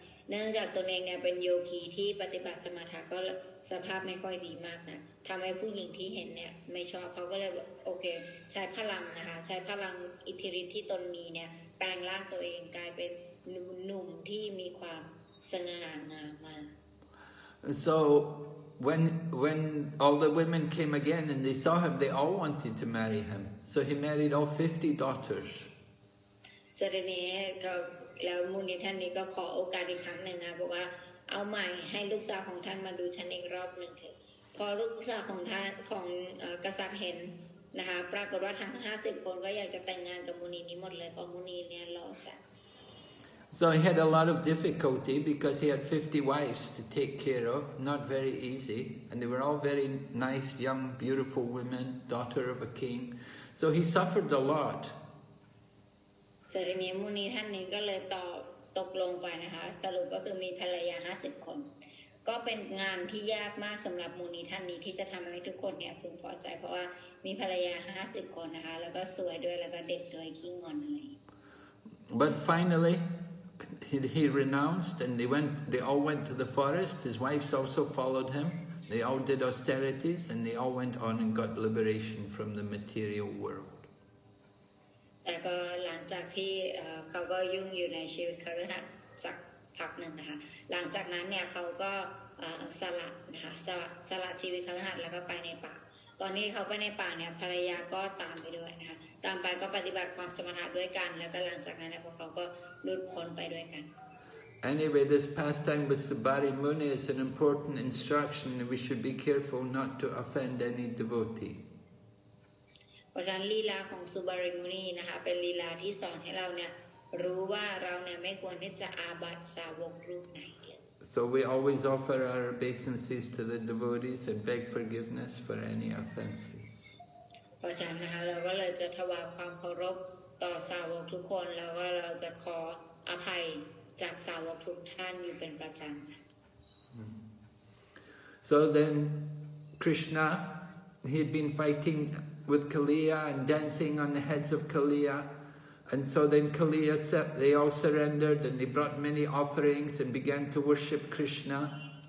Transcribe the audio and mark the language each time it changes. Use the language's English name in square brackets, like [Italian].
[Thai] เนื่องจากตนเองเนี่ยเป็นโยคีที่ปฏิบัติสมถะก็สภาพไม่ค่อยดีมากนะทำให้ผู้หญิงที่เห็นเนี่ยไม่ชอบเขาก็เลยโอเคใช้พลังนะคะใช้พลังอิทธิฤทธิ์ที่ตนมีเนี่ยแปลงร่างตัวเองกลายเป็นหนุ่มที่มีความสง่างามมาก [English] So when all the women came again and they saw him they all wanted to marry him so he married all 50 daughters [Thai] เสร็จแล้วเนี่ยก็แล้วมุนีท่านนี้ก็ขอโอกาสอีกครั้งหนึ่งนะบอกว่าเอาใหม่ให้ลูกสาวของท่านมาดูฉันอีกรอบหนึ่งเถอะพอลูกสาวของท่านของกษัตริย์เห็นนะคะปรากฏว่าทั้ง50คนก็อยากจะแต่งงานกับมุนีนี้หมดเลยเพราะมุนีเนี่ยหล่อจัด [English] So he had a lot of difficulty because he had 50 wives to take care of not very easy and they were all very nice young beautiful women daughter of a king so he suffered a lot [Thai] เสร็จนี้มุนีท่านนี้ก็เลยตกลงไปนะคะสรุปก็คือมีภรรยา50คนก็เป็นงานที่ยากมากสำหรับมุนีท่านนี้ที่จะทำให้ทุกคนเนี่ยพึงพอใจเพราะว่ามีภรรยา50คนนะคะแล้วก็สวยด้วยแล้วก็เด็กด้วยขี้งอนอะไร [English] But finally he renounced and they all went to the forest his wives also followed him they all did austerities and they all went on and got liberation from the material world [Thai] แต่ก็หลังจากที่เขาก็ยุ่งอยู่ในชีวิตคฤหัสถ์สักพักหนึ่งนะคะหลังจากนั้นเนี่ยเขาก็สละนะคะสละชีวิตคฤหัสถ์แล้วก็ไปในป่าตอนนี้เขาไปในป่าเนี่ยภรรยาก็ตามไปด้วยนะคะตามไปก็ปฏิบัติความสมถะด้วยกันแล้วก็หลังจากนั้นเนี่ยพวกเขาก็หลุดพ้นไปด้วยกัน [English] Anyway this pastime with Subari Muni is an important instruction that we should be careful not to offend any devotee [Thai] เพราะฉะนั้นลีลาของสุบาริมุนีนะคะเป็นลีลาที่สอนให้เราเนี่ยรู้ว่าเราเนี่ยไม่ควรที่จะอาบัติสาวกรูปไหน [English] So we always offer our obeisances to the devotees and beg forgiveness for any offenses. [Thai] เพราะฉะนั้นนะคะเราก็เลยจะถวายความเคารพต่อสาวกทุกคนแล้วก็เราจะขออภัยจากสาวกทุกท่านอยู่เป็นประจำ [English] So then Krishna, he had been fighting with Kaliya and dancing on the heads of Kaliya. And so then Kaliya, they all surrendered and they brought many offerings and began to worship Krishna.